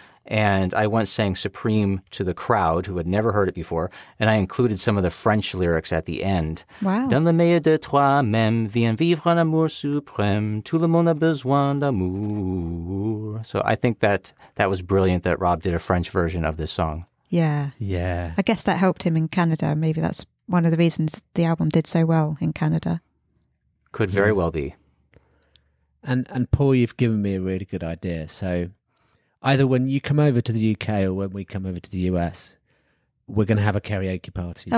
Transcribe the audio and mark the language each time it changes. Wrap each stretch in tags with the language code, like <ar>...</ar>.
<en>And I once sang Supreme to the crowd who had never heard it before. And I included some of the French lyrics at the end. Wow.</en> <fr>"Dans le meilleur de toi-même, viens vivre un amour suprême. Tout le monde a besoin d'amour."</fr> <en>So I think that was brilliant that Rob did a French version of this song. Yeah. Yeah. I guess that helped him in Canada. Maybe that's one of the reasons the album did so well in Canada. Could very well be. And Paul, you've given me a really good idea. So either when you come over to the UK or when we come over to the US, we're going to have a karaoke party.</en>